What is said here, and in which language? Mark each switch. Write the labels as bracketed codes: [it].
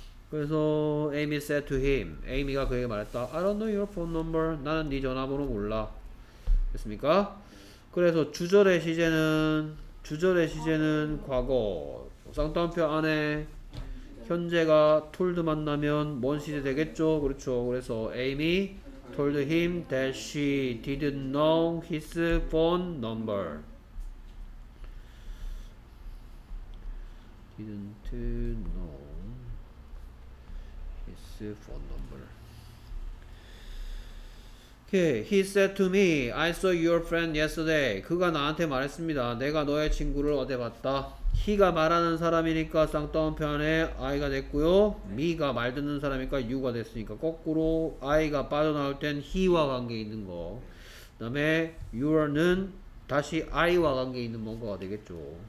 [ko] 그래서 [en] Amy said to him, [ko] 에이미가 그에게 말했다. [en] I don't know your phone number. [ko] 나는 네 전화번호 몰라. 됐습니까? 그래서 주절의 시제는 과거. 쌍따옴표 안에 현재가 told 만나면 뭔 시제 되겠죠? 그렇죠. [en] 그래서 Amy told him that she didn't know his phone number. Didn't know. Phone number. Okay, he said to me, I saw your friend yesterday. [ko] 그가 나한테 말했습니다. 내가 너의 친구를 어디 봤다. He가 말하는 사람이니까 쌍따옴표 안에 I가 됐고요. Me가 말 듣는 사람이니까 U가 됐으니까 거꾸로 I가 빠져나올 땐 He와 관계 있는 거. 그다음에 You는 다시 I와 관계 있는 뭔가가 되겠죠.